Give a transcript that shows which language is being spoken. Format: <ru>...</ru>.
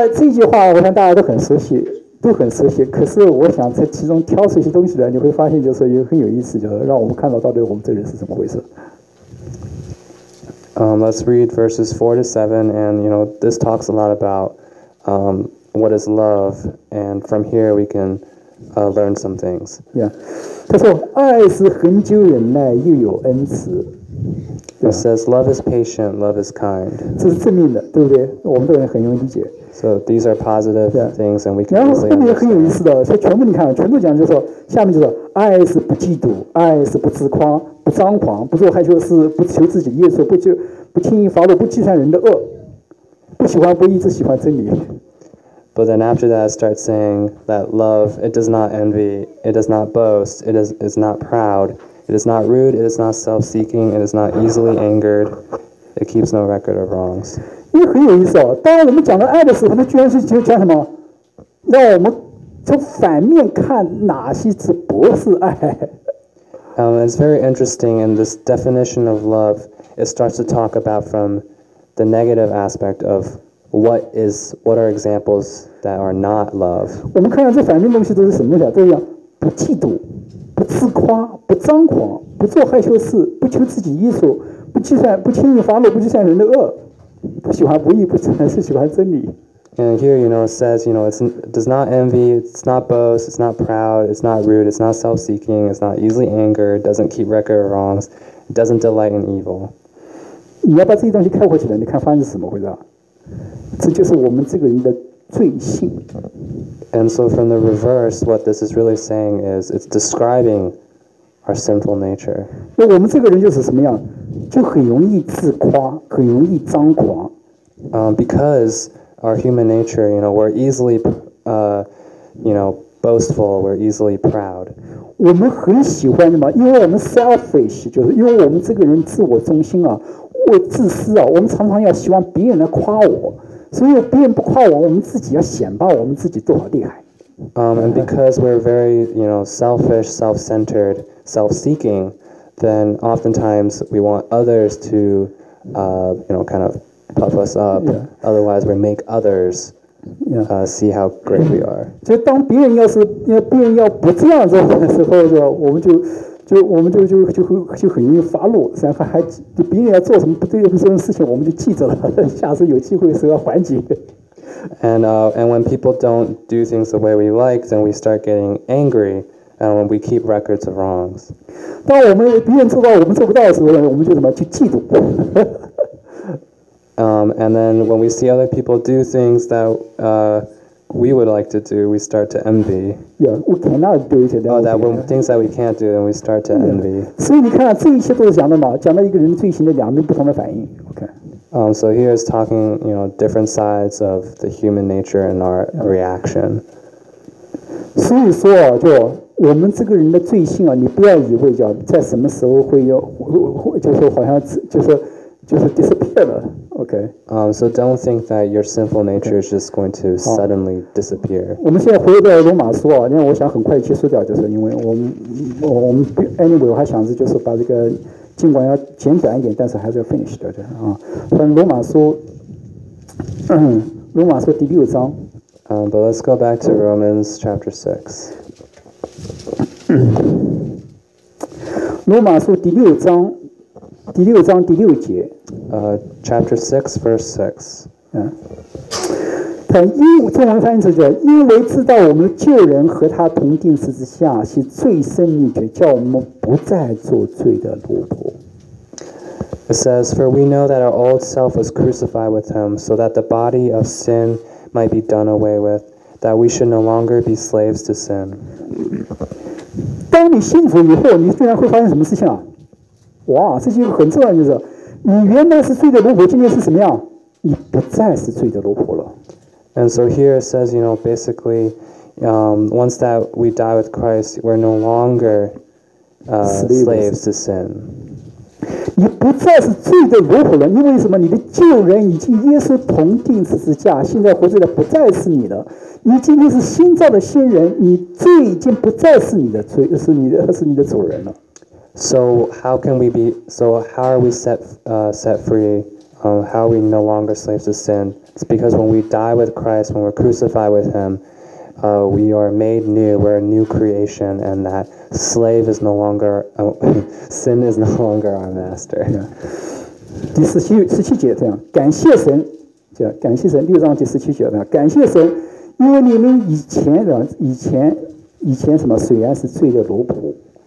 <zh>这句话我想大家都很熟悉，可是我想在其中挑出一些东西来，你会发现就是有很有意思，就是让我们看到到底我们这人是怎么回事。</zh> <en>Let's read verses 4 to 7, and you know this talks a lot about what is love, and from here we can learn some things. Yeah,</en> <zh>他说爱是恒久忍耐，又有恩慈。</zh> <en>It says love is patient, love is kind.</en> <zh>这是正面的，对不对？我们这人很容易理解。</zh> <en>So these are positive things, and we can easily understand.</en> <zh>然后后面也很有意思的，所以全部你看，全部讲就是说，下面就是爱是不嫉妒，爱是不自夸，不张狂，不做害羞事，不求自己的益处，不轻易发怒，不计算人的恶，不喜欢不义，只喜欢真理。</zh> <en>But then after that, start saying that love, it does not envy, it does not boast, it is not proud, it is not rude, it is not self-seeking, it is not easily angered, it keeps no record of wrongs.</en> <zh>因为很有意思哦，当我们讲到爱的时候，那居然是就讲什么，让我们从反面看哪些是不是爱。</zh> <en>It's very interesting, and this definition of love, it starts to talk about from the negative aspect of what are examples that are not love.</en> <zh>我们看到这反面东西都是什么呀？都是不嫉妒，不自夸，不张狂，不做害羞事，不求自己益处，不轻易发怒，不计算人的恶。不喜欢不义，不喜欢是喜欢真理。</zh> <en>And here, you know, it says, you know, it does not envy, it's not boast, it's not proud, it's not rude, it's not self-seeking, it's not easily angered, doesn't keep record of wrongs, doesn't delight in evil.</en> <zh>你要把这些东西看回去了，你看发现是怎么回事？这就是我们这个人的罪性。</zh> <en>And so, from the reverse, what this is really saying is, it's describing our sinful nature.</en> <zh>那我们这个人就是什么样？就很容易自夸，很容易张狂。</zh> <en>Because our human nature, you know, we're easily, you know, boastful. We're easily proud.</en> <zh>我们很喜欢什么？因为我们</zh> <en>selfish，</en> <zh>就是因为我们这个人自我中心啊，我自私啊。我们常常要希望别人来夸我，所以别人不夸我，我们自己要显摆我们自己多少厉害。</zh> <en>And because we're very, you know, selfish, self-centered, self-seeking. Then oftentimes we want others to, you know, kind of puff us up. Yeah. Otherwise, we make others see how great we are.</en> <zh>就当别人要是要别人要不这样做的时候，就我们就很容易发怒，然后还就别人要做什么不对不对的事情，我们就记着了，下次有机会的时候要还击。</zh> <en>And when people don't do things the way we like, then we start getting angry. And when we keep records of wrongs.</en> <zh>当我们别人做到我们做不到的时候，我们就什么去嫉妒。</zh> <en>And then when we see other people do things that we would like to do, we start to envy. Yeah, we cannot do it. Oh, that when things that we can't do, then we start to envy.</en> <zh>所以你看，这一切都是讲的嘛，讲到一个人罪行的两面不同的反应。</zh> <en>Okay. So here is talking, you know, different sides of the human nature and our reaction.</en> <zh>所以说啊，就。我们这个人的罪性啊，你不要以为叫在什么时候会要，就是好像就是</zh> <en>disappear</en> <zh>了</zh> <en>Okay. So don't think that your sinful nature is just going to suddenly disappear.</en> <zh>我们现在回到罗马书啊，因为我想很快结束掉，就是因为我们</zh> <en>anyway</en> <zh>我还想着就是把这个尽管要简短一点，但是还是要</zh> <en>finish</en> <zh>掉的啊。但罗马书，罗马书第六章。</zh> <en>But let's go back to Romans chapter 6.</en> <zh>罗马书第六章。第六章第六节</zh> <en>Chapter 6 verse 6</en> <zh>中文翻译成就因为知道我们的旧人和他同钉十字架是罪身秘诀叫我们不再做罪的奴仆</zh> <en>It says for we know that our old self was crucified with him so that the body of sin might be done away with that we should no longer be slaves to sin</en> <zh>当你信服以后你居然会发生什么事情啊哇，这是一个很重要的，就是你原来是罪的奴仆，今天是什么样？你不再是罪的奴仆了。</zh> <en>And so here it says, you know, basically, once that we die with Christ, we're no longer slaves to sin.</en> <zh>你不再是罪的奴仆了，因为什么？你的旧人已经耶稣同钉十字架，现在活着的不再是你了。你今天是新造的新人，你罪已经不再是你的罪，是你的主人了。</zh> <en>So how can we be? So how are we set free? How are we no longer slaves to sin? It's because when we die with Christ, when we're crucified with Him, we are made new. We're a new creation, and that slave is no longer sin is no longer our master.</en> <zh>第十七节这样，感谢神，感谢神，六章第十七节这样，感谢神，因为你们以前什么，虽然是罪的奴仆。</zh>